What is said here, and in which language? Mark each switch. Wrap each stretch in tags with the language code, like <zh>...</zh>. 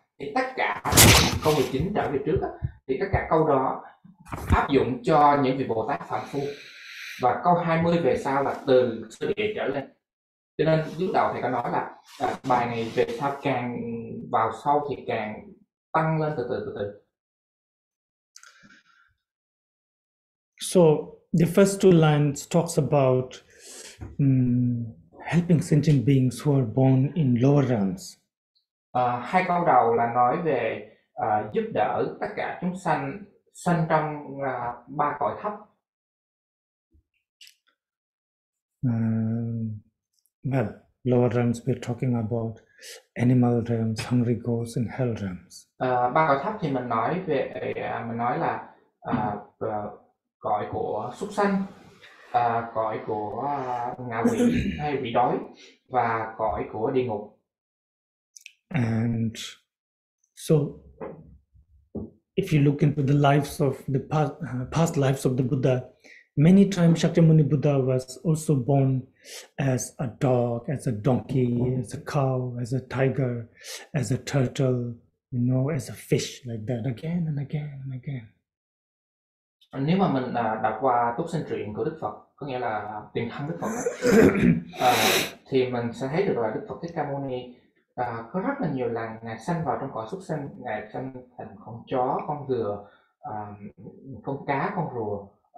<vi>Thì tất cả câu 19 trở về trước á, thì tất cả câu đó áp dụng cho những vị Bồ Tát phàm phu, và câu 20 về sau là từ sơ địa trở lên. Cho nên lúc đầu thì có nói là bài này về sau càng vào sau thì càng tăng lên từ từ.</vi> <en>So the first two lines talks about helping sentient beings who are born in lower realms.</en> <vi>Hai câu đầu là nói về giúp đỡ tất cả chúng sanh sanh trong ba cõi thấp.</vi> <en>Well, lower realms, we're talking about animal realms, hungry ghosts, and hell realms.</en> <vi>Ba cõi thấp thì mình nói về, mình nói là cõi của súc sanh, cõi của ngạ quỷ hay quỷ đói, và cõi của địa ngục.</vi> <en>And so, if you look into the lives of the past lives of the Buddha, many times Shakyamuni Buddha was also born as a dog, as a donkey, as a cow, as a tiger, as a turtle, you know, as a fish, like that, again and again and again.</en> <vi>Nếu mà mình đọc qua túc sinh truyện của Đức Phật, có nghĩa là tiền thân Đức Phật, thì mình sẽ thấy được là Đức Phật Thích Ca Mâu Ni có rất là nhiều lần ngài sanh vào trong cõi súc sanh, ngài sanh thành con chó, con dừa, con cá, con rùa.</vi>